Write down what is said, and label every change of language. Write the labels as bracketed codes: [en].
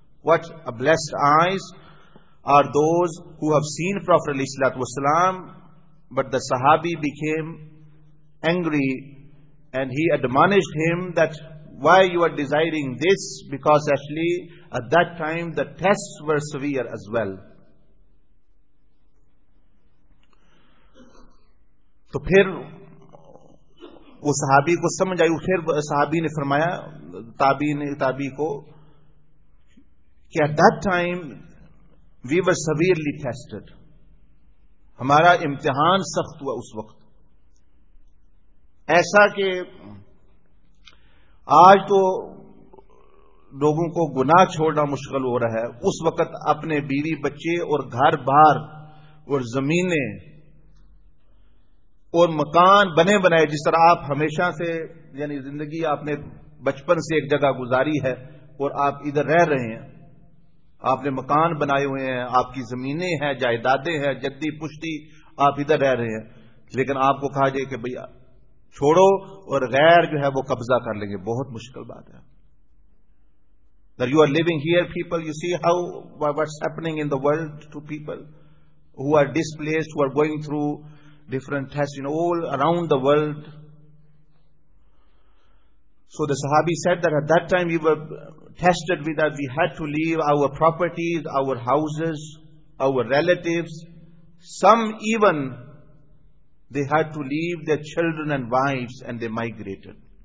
[en] What a blessed eyes are those who have seen Prophet alayhi sallallahu alayhi wa sallam. But the sahabi became angry and he admonished him that why you are desiring this, because actually at that time the tests were severe as well. [ur] So phir وہ صحابی کو سمجھ آئی. پھر صحابی نے فرمایا تابعی نے تابعی کو کہ [en] at that time we were severely tested, [ur] ہمارا امتحان سخت ہوا اس وقت, ایسا کہ آج تو لوگوں کو گناہ چھوڑنا مشکل ہو رہا ہے, اس وقت اپنے بیوی بچے اور گھر بار اور زمینیں اور مکان بنے بنائے, جس طرح آپ ہمیشہ سے یعنی زندگی آپ نے بچپن سے ایک جگہ گزاری ہے اور آپ ادھر رہ رہے ہیں, آپ نے مکان بنائے ہوئے ہیں, آپ کی زمینیں ہیں, جائیدادیں ہیں, جدی پشتی, آپ ادھر رہ رہے ہیں, لیکن آپ کو کہا جائے کہ بھیا چھوڑو اور غیر جو ہے وہ قبضہ کر لیں گے, بہت مشکل بات ہے. [en] That you are living here, people, you see how what's happening in the world to people who are displaced, who are going through different tests, you know, all around the world. So the sahabi said that at that time we were tested with that we had to leave our properties, our houses, our relatives, some even they had to leave their children and wives and they migrated.